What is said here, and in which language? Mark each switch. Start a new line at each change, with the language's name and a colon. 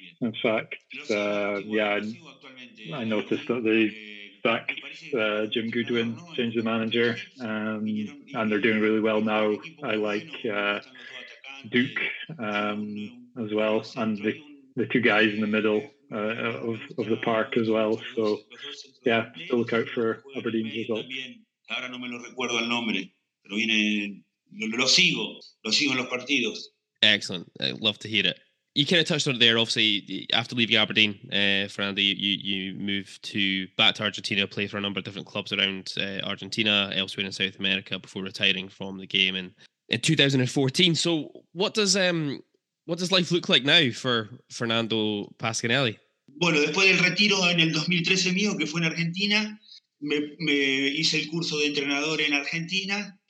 English: In fact, I noticed that they Jim Goodwin changed the manager, and they're doing really well now. I like Duke as well, and the two guys in the middle of the park as well. So, still look out for Aberdeen's results.
Spanish: Ahora no me lo recuerdo el nombre, pero lo sigo en los partidos.
English: Excellent, I love to hear it. You kind of touched on it there. Obviously, after leaving Aberdeen, Fernando, you move back to Argentina, play for a number of different clubs around Argentina, elsewhere in South America, before retiring from the game in 2014. So, what does life look like now for Fernando Pasquinelli?
Spanish: Bueno, después del retiro en el 2013 mío, que fue en Argentina, me hice el curso de entrenador en Argentina.